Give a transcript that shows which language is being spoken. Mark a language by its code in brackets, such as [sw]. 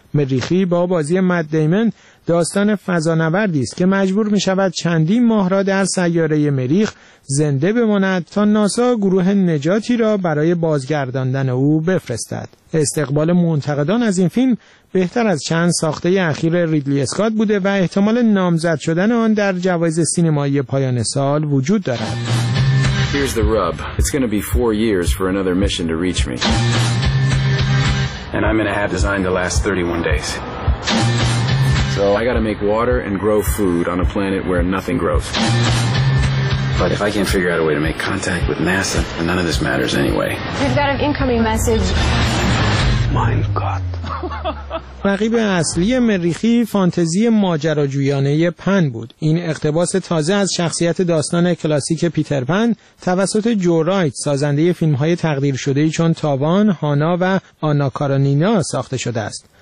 [fa] مریخی با بازی مت دیمن داستان فضانوردی است که مجبور می شود چندین ماه را در سیاره مریخ زنده بماند تا ناسا گروه نجاتی را برای بازگرداندن او بفرستد. استقبال منتقدان از این فیلم بهتر از چند ساخته اخیر ریدلی اسکات بوده و احتمال نامزد شدن آن در جوایز سینمایی پایان سال وجود دارد. [en] Here's the rub. It's going to be 4 years for another mission to reach me. And I'm in a hat designed to last 31 days. So I gotta make water and grow food on a planet where nothing grows. But if I can't figure out a way to make contact with NASA, then none of this matters anyway. We've got an incoming message. [de] Mein Gott. [fa] رقیب اصلی مریخی فانتزی ماجراجویانه پن بود. این اقتباس تازه از شخصیت داستان کلاسیک پیتر پن توسط جو رایت، سازنده فیلم‌های تقدیر شده چون تاوان، هانا و آنا کارانینا ساخته شده است.